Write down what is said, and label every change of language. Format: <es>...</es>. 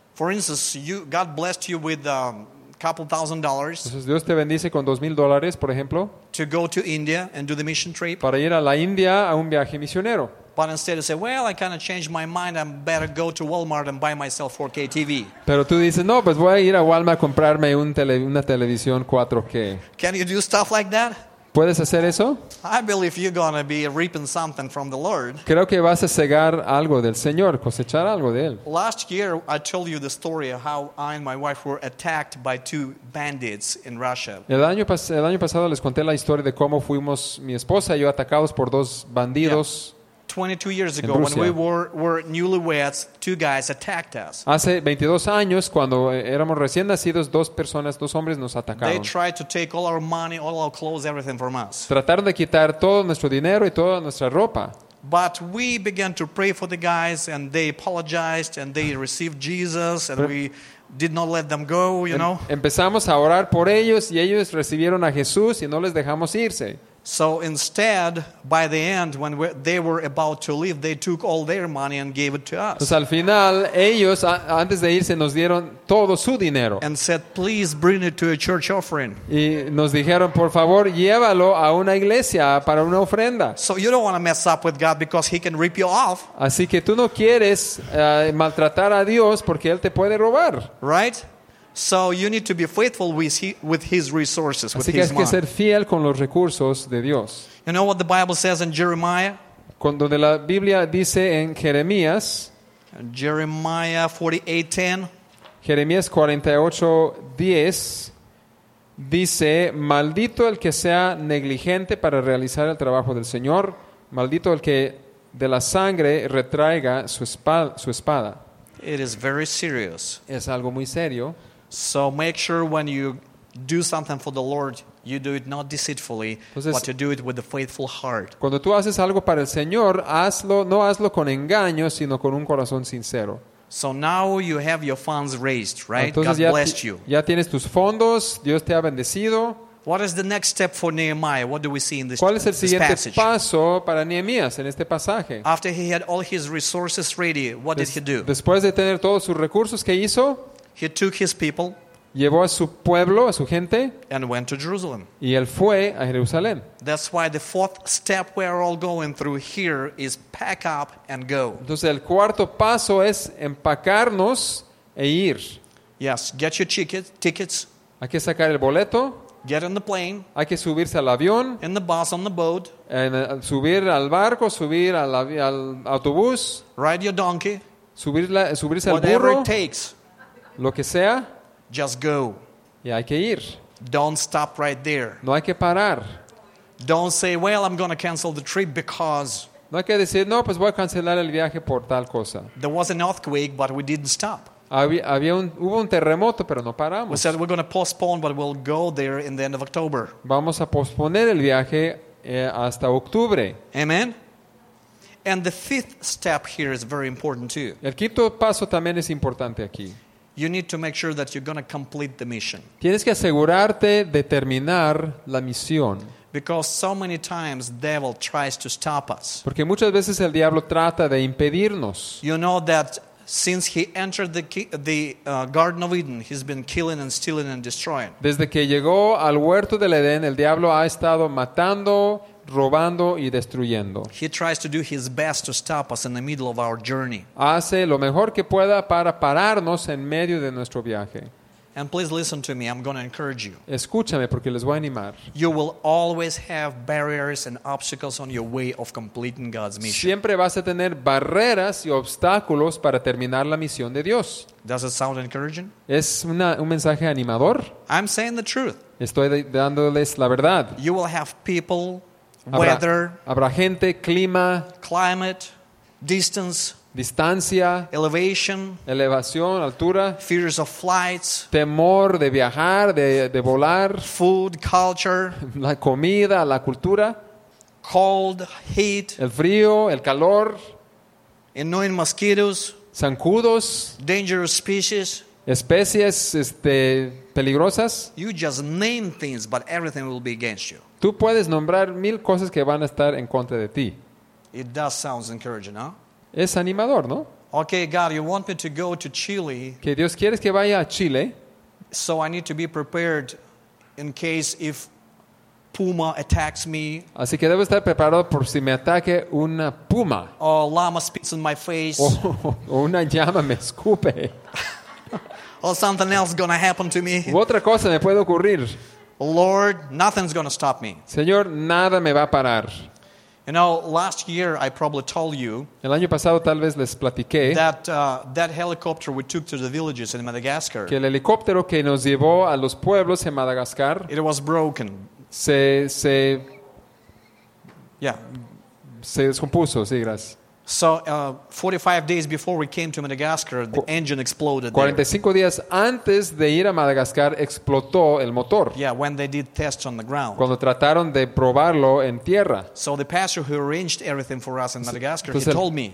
<en>For instance, God blessed you with a couple $1,000s.</en> <es>Entonces Dios te bendice con $2,000, por ejemplo.</es> <en>To go to India and do the mission trip.</en> <es>Para ir a la India a un viaje misionero.</es> <en>But instead, you say, "Well, I kind of changed my mind. I'm better go to Walmart and buy myself 4K TV."</en> <es>Pero tú dices, "No, pues voy a ir a Walmart a comprarme una televisión 4K."</es> <en>Can you do stuff like that?</en> <es>¿Puedes hacer eso?</es> <en>I believe you're going to be reaping something from the Lord.</en> <es>Creo que vas a segar algo del Señor, cosechar algo de él.</es> <en>Last year, I told you the story of how I and my wife were attacked by 2 bandits in Russia.</en> <es>El año pasado les conté la historia de cómo fuimos mi esposa y yo atacados por 2 bandidos. Yeah.</es> <en>22 years ago, when we were newlyweds, two guys attacked us.</en> <es>Hace 22 años, cuando éramos recién nacidos, dos personas, dos hombres nos atacaron.</es> <en>They tried to take all our money, all our clothes, everything from us.</en> <es>Trataron de quitar todo nuestro dinero y toda nuestra ropa.</es> <en>But we began to pray for the guys, and they apologized, and they received Jesus, and we did not let them go, you know.</en> <es>Empezamos a orar por ellos, y ellos recibieron a Jesús, y no les dejamos irse.</es> <en>So instead, by the end, when they were about to leave, they took all their money and gave it to us.</en> <es>Pues al final, ellos, antes de irse, nos dieron todo su dinero.</es> <en>And said, please bring it to a church offering.</en> <es>Y nos dijeron, por favor, llévalo a una iglesia para una ofrenda.</es> <en>So you don't want to mess up with God because he can rip you off.</en> <es>Así que tú no quieres maltratar a Dios porque él te puede robar.</es> <en>Right? So you need to be faithful with his resources, with his money.</en> <es>Así que hay que ser fiel con los recursos de Dios.</es> <en>You know what the Bible says in Jeremiah?</en> <es>Cuando de la Biblia dice en Jeremías,</es> <en>Jeremiah 48:10.</en> <es>Jeremías 48:10 dice, maldito el que sea negligente para realizar el trabajo del Señor, maldito el que de la sangre retraiga su espada.</es> <en>It is very serious.</en> <es>Es algo muy serio.</es> <en>So make sure when you do something for the Lord, you do it not deceitfully, but to do it with a faithful heart.</en> <es>Cuando tú haces algo para el Señor, no hazlo con engaño, sino con un corazón sincero.</es> <en>So now you have your funds raised, right?</en> <es>Entonces,</es> <en>God blessed you.</en> <es>Ya tienes tus fondos, Dios te ha bendecido.</es> <en>What is the next step for Nehemiah? What do we see in this passage?</en> <es>¿Cuál es el siguiente</es> <en>passage?</en> <es>Paso para Nehemías en este pasaje?</es> <en>After he had all his resources ready, what did he do?</en> <es>Después de tener todos sus recursos, ¿qué hizo?</es> <en>He took his people,</en> <es>llevó a su pueblo, a su gente,</es> <en>and went to Jerusalem.</en> <es>Y él fue a Jerusalén.</es> <en>That's why the fourth step we are all going through here is pack up and go.</en> <es>Entonces el cuarto paso es empacarnos e ir.</es> <en>Yes, get your tickets.</en> <es>Hay que sacar el boleto.</es> <en>Get on the plane.</en> <es>Hay que subirse al avión.</es> <en>In the bus, on the boat.</en> <es>Subir al barco, subir al autobús.</es> <en>Ride your donkey.</en> <es>Subirse al burro.</es> <en>Whatever it takes.</en> <es>Lo que sea,</es> <en>just go.</en> <es>Y hay que ir.</es> <en>Don't stop right there.</en> <es>No hay que parar.</es> <en>Don't say, well, I'm going to cancel the trip because.</en> <es>No hay que decir, no, pues voy a cancelar el viaje por tal cosa.</es> <en>There was an earthquake, but we didn't stop.</en> <es>Hubo un terremoto, pero no paramos.</es> <en>We said we're going to postpone, but we'll go there in the end of October.</en> <es>Vamos a posponer el viaje hasta octubre.</es> <en>Amen. And the fifth step here is very important too.</en> <es>El quinto paso también es importante aquí.</es> <en>You need to make sure that you're going to complete the mission.</en> <es>Tienes que asegurarte de terminar la misión.</es> <en>Because so many times the devil tries to stop us.</en> <es>Porque muchas veces el diablo trata de impedirnos.</es> <en>You know that since he entered the Garden of Eden, he's been killing and stealing and destroying.</en> <es>Desde que llegó al huerto del Edén, el diablo ha estado matando, robando y destruyendo.</es> <en>He tries to do his best to stop us in the middle of our journey.</en> <es>Hace lo mejor que pueda para pararnos en medio de nuestro viaje.</es> <en>And please listen to me, I'm going to encourage you.</en> <es>Escúchame porque les voy a animar.</es> <en>You will always have barriers and obstacles on your way of completing God's mission.</en> <es>Siempre vas a tener barreras y obstáculos para terminar la misión de Dios.</es> <en>Does it sound encouraging?</en> <es>¿Es un mensaje animador?</es> <en>I'm saying the truth.</en> <es>Estoy dándoles la verdad.</es> <en>You will have people, weather,</en> <es>habrá gente, clima,</es> <en>climate, distance,</en> <es>distancia,</es> <en>elevation,</en> <es>elevación, altura,</es> <en>fears of flights,</en> <es>temor de viajar, de volar,</es> <en>food, culture,</en> <es>la comida, la cultura,</es> <en>cold, heat,</en> <es>el frío, el calor,</es> <en>annoying mosquitoes,</en> <es>zancudos,</es> <en>dangerous species,</en> <es>especies peligrosas.</es> <en>You just name things, but everything will be against you.</en> <es>Tú puedes nombrar mil cosas que van a estar en contra de ti.</es> <en>It does sounds encouraging, huh?</en> <es>Es animador, ¿no?</es> <en>Okay, God, you want me to go to Chile.</en> <es>Que Dios quieres que vaya a Chile.</es> <en>So I need to be prepared in case if puma attacks me.</en> <es>Así que debo estar preparado por si me ataque una puma.</es> <en>Or a llama spits in my face.</en> <es>O una llama me escupe.</es> <en>Or something else going to happen to me.</en> <es>U otra cosa me puede ocurrir.</es> <en>Lord, nothing's going to stop me.</en> <es>Señor, nada me va a parar.</es> <en>You know, last year I probably told you.</en> <es>El año pasado tal vez les platiqué.</es> <en>That helicopter we took to the villages in Madagascar.</en> <es>Que el helicóptero que nos llevó a los pueblos en Madagascar.</es> <en>It was broken.</en> <es>Se</es> <en>Yeah.</en> <es>se descompuso, sí, gracias.</es> <en>So 45 days before we came to Madagascar, the engine exploded.</en> <es>45 días antes de ir a Madagascar explotó el motor.</es> <en>Yeah, when they did tests on the ground.</en> <es>Cuando trataron de probarlo en tierra.</es> <en>So the pastor who arranged everything for us in Madagascar, he told me.</en>